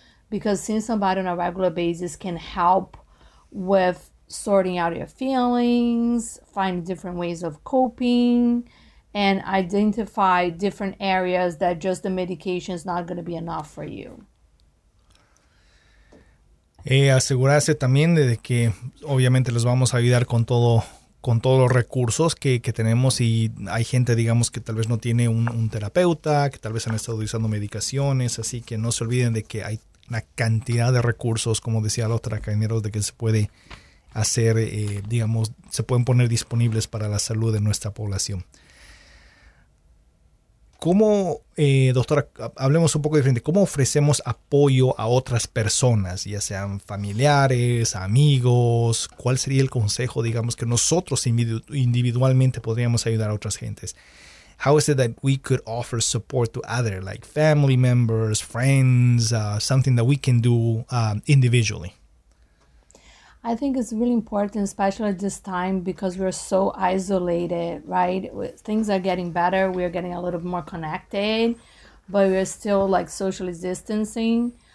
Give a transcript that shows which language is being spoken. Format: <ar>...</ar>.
<en>Because seeing somebody on a regular basis can help with sorting out your feelings, find different ways of coping, and identify different areas that just the medication is not going to be enough for you.</en> <es>Asegurarse también de que obviamente les vamos a ayudar con todos los recursos que tenemos, y hay gente, digamos, que tal vez no tiene un terapeuta, que tal vez han estado usando medicaciones, así que no se olviden de que hay la cantidad de recursos, como decía la otra Cañero, de que se puede hacer, digamos, se pueden poner disponibles para la salud de nuestra población. ¿Cómo, doctora, hablemos un poco diferente, cómo ofrecemos apoyo a otras personas, ya sean familiares, amigos? ¿Cuál sería el consejo, digamos, que nosotros individualmente podríamos ayudar a otras gentes?</es> <en>How is it that we could offer support to others, like family members, friends, something that we can do individually? I think it's really important, especially at this time, because we're so isolated, right? Things are getting better. We are getting a little more connected, but we're still like socially distancing.</en>